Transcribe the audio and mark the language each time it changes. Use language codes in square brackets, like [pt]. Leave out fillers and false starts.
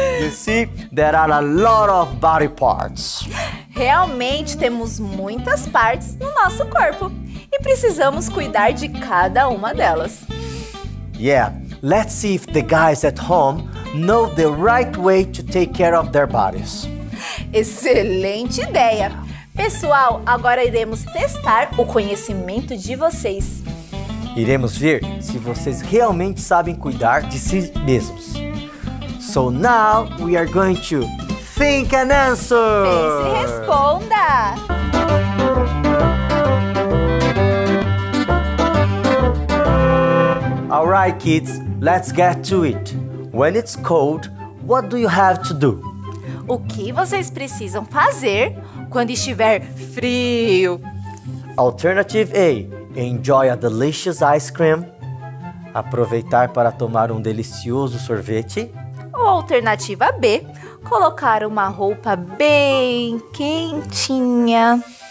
[en] You see, there are a lot of body parts. [pt] Realmente temos muitas partes no nosso corpo. E precisamos cuidar de cada uma delas. [en] Yeah, let's see if the guys at home know the right way to take care of their bodies. [pt] Excelente ideia! Pessoal, agora iremos testar o conhecimento de vocês. Iremos ver se vocês realmente sabem cuidar de si mesmos. [en] So now we are going to think and answer! [pt] Pense e responda! [en] Alright, kids, let's get to it. When it's cold, what do you have to do? [pt] O que vocês precisam fazer quando estiver frio? [en] Alternative A, enjoy a delicious ice cream. [pt] Aproveitar para tomar um delicioso sorvete. Ou alternativa B, colocar uma roupa bem quentinha.